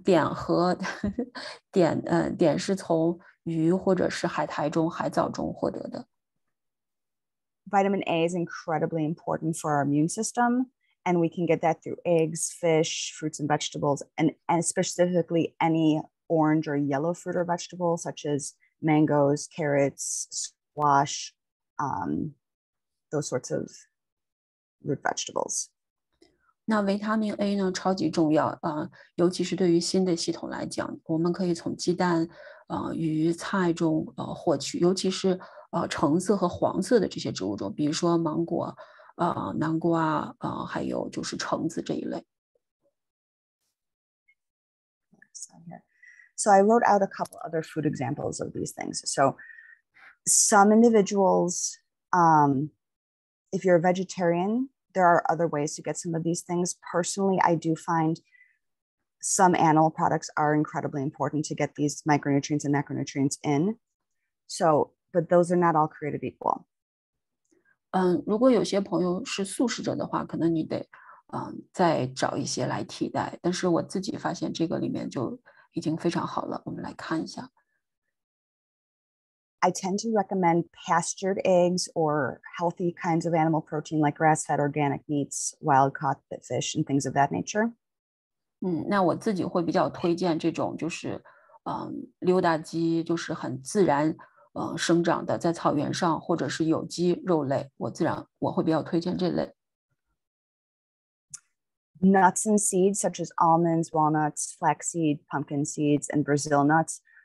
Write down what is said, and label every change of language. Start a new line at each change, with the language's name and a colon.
Chinese: 碘和碘，碘是从鱼或者是海苔中、海藻中获得的。
English: Vitamin A is incredibly important for our immune system, and we can get that through eggs, fish, fruits, and vegetables, and specifically any orange or yellow fruit or vegetable, such as mangoes, carrots, squash, those sorts of root vegetables.
Chinese: 那维他命 A 呢超级重要，尤其是对于锌的系统来讲，我们可以从鸡蛋、鱼菜中获取，尤其是橙色和黄色的这些植物中，比如说芒果、南瓜、还有就是橙子这一类。
English: So I wrote out a couple other food examples of these things. So some individuals, if you're a vegetarian,There are other ways to get some of these things. Personally, I do find some animal products are incredibly important to get these micronutrients and macronutrients in. So, but those are not all created equal.
Chinese: 如果有些朋友是素食者的话，可能你得再找一些来替代。但是我自己发现这个里面就已经非常好了。我们来看一下。
English: I tend to recommend pastured eggs or healthy kinds of animal protein like grass-fed organic meats, wild-caught fish, and things of that nature.
Chinese: 那我自己会比较推荐这种就是溜达鸡，就是很自然生长的，在草原上或者是有机肉类，我会比较推荐这类。
English: Nuts and seeds such as almonds, walnuts, flaxseed, pumpkin seeds, and Brazil nuts.